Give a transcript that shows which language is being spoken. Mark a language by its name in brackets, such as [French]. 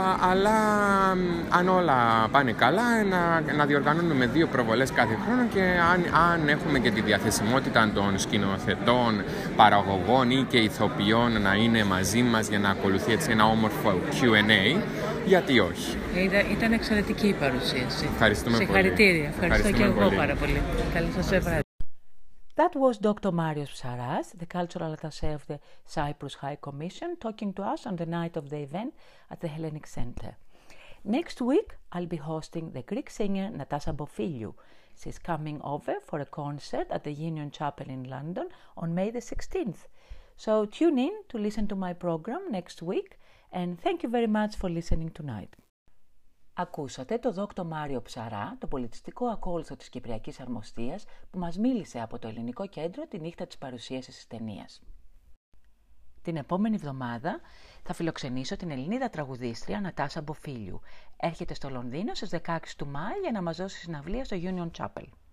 [Greek] Αλλά αν όλα πάνε καλά, να διοργανώνουμε 2 προβολές κάθε χρόνο και αν έχουμε και τη διαθεσιμότητα των σκηνοθετών, παραγωγών ή και ηθοποιών να είναι μαζί μας για να ακολουθεί έτσι ένα όμορφο Q&A, γιατί όχι. Ήταν εξαιρετική η παρουσίαση. Ευχαριστούμε πολύ. Συγχαρητήρια. Ευχαριστώ και εγώ πάρα πολύ. Καλή σας βράδυ. [English] That was Dr. Marios Psaras, the cultural attaché of the Cyprus High Commission, talking to us on the night of the event at the Hellenic Center. Next week, I'll be hosting the Greek singer Natasha Bofilou. She's coming over for a concert at the Union Chapel in London on May the 16th. So tune in to listen to my program next week, and thank you very much for listening tonight. [Greek] Ακούσατε τον Δόκτωρ Μάριο Ψαρά, τον πολιτιστικό ακόλουθο της Κυπριακής Αρμοστίας, που μας μίλησε από το Ελληνικό Κέντρο τη νύχτα της παρουσίασης της ταινίας. Την επόμενη εβδομάδα θα φιλοξενήσω την Ελληνίδα τραγουδίστρια Νατάσα Μποφίλιου. Έρχεται στο Λονδίνο στις 16 του Μάη για να μας δώσει συναυλία στο Union Chapel.